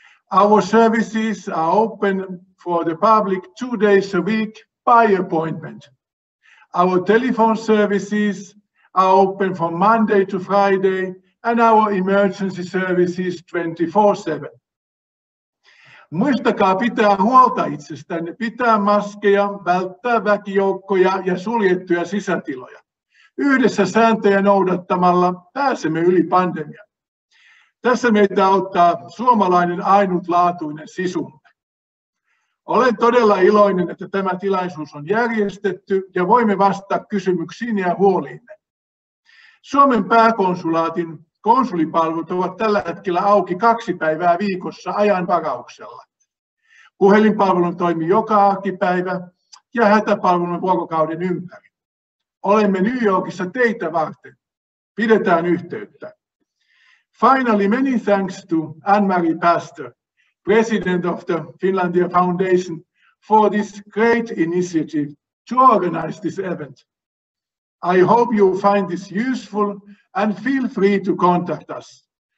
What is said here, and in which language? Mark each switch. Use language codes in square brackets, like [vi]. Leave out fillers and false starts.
[en] Our services are open for the public 2 days a week by appointment. Our telephone services are open from Monday to Friday and our emergency services 24/7. [fi] Muistakaa pitää huolta itsestänne, pitää maskeja, välttää väkijoukkoja ja suljettuja sisätiloja. Yhdessä sääntöjä noudattamalla pääsemme yli pandemian. Tässä meitä auttaa suomalainen ainutlaatuinen sisumme. Olen todella iloinen, että tämä tilaisuus on järjestetty ja voimme vastata kysymyksiin ja huoliinne. Suomen pääkonsulaatin konsulipalvelut ovat tällä hetkellä auki 2 päivää viikossa ajan varauksella. Puhelinpalvelu toimii joka arkipäivä ja hätäpalvelun vuorokauden ympäri. Olemme New Yorkissa teitä varten. Pidetään yhteyttä. [en] Finally, many thanks to Anne-Marie Pastor, president of the Finlandia Foundation, for this great initiative to organize this event. I hope you find this useful and feel free to contact us.